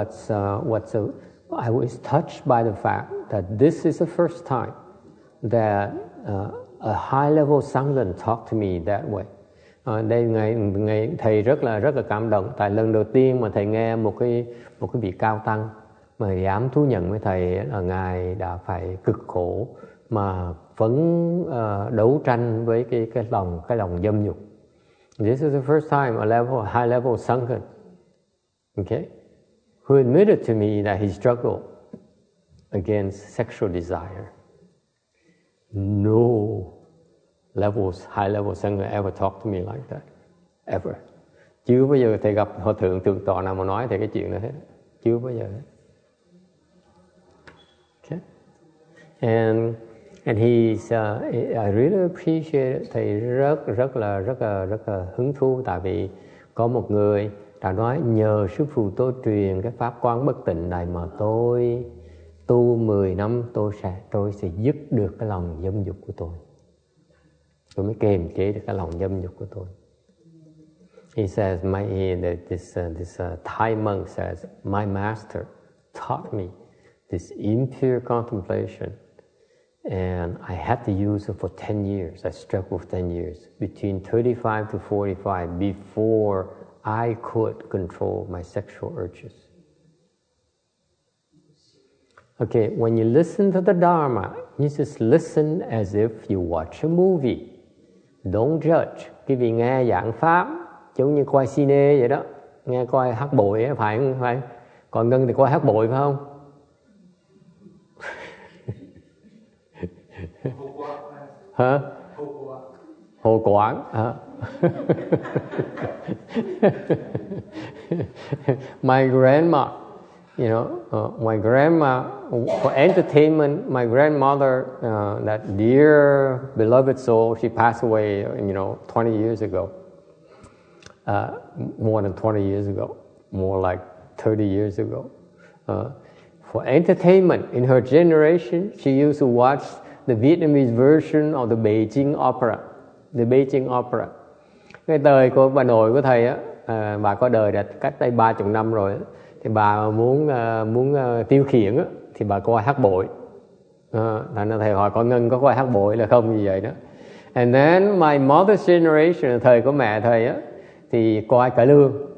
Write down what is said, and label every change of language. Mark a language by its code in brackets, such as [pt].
[en] I was touched by the fact that this is the first time that a high level sangham talked to me that way. [vi] Đây ngài thầy rất là cảm động tại lần đầu tiên mà thầy nghe một cái vị cao tăng mà dám thú nhận với thầy là ngài đã phải cực khổ mà vẫn đấu tranh với cái lòng dâm dục. [en] This is the first time a high level sangham, okay, who admitted to me that he struggled against sexual desire. No levels high level sangha ever talked to me like that ever. [vi] Chưa bao giờ thầy gặp hòa thượng thượng tọa nào mà nói thầy cái chuyện đó hết. Chưa bao giờ hết. [en] And he's I really appreciate it. [vi] Thầy rất là hứng thú tại vì có một người đã nói nhờ sư phụ tôi truyền cái pháp quán bất tịnh này mà tôi tu 10 năm tôi sẽ dứt được cái lòng dâm dục của tôi. tôi mới kềm chế được cái lòng dâm dục của tôi. [en] He says, Thai monk says, my master taught me this impure contemplation, and I had to use it for 10 years. I struggled for 10 years, between 35 to 45, before I could control my sexual urges. Okay, when you listen to the Dharma, you just listen as if you watch a movie. Don't judge. [vi] Quý vị nghe giảng pháp, giống như coi cine vậy đó, nghe coi hát bội ấy, phải không? Phải. Còn Ngân thì coi hát bội phải không? Hả? Hồ quán. Hồ quán. [en] My grandma, you know, my grandma, for entertainment, my grandmother, that dear beloved soul, she passed away, you know, 20 years ago. More than 20 years ago, more like 30 years ago. For entertainment, in her generation, she used to watch the Vietnamese version of the Beijing Opera. The Beijing Opera. [vi] Cái đời của bà nội của thầy á, bà có đời đã cách đây 30 năm rồi, thì bà muốn tiêu khiển á, thì bà coi hát bội. Thành ra thầy hỏi con Ngân có coi hát bội là không như vậy đó. [en] And then my mother's generation, [vi] thời của mẹ thầy á, thì coi cải lương.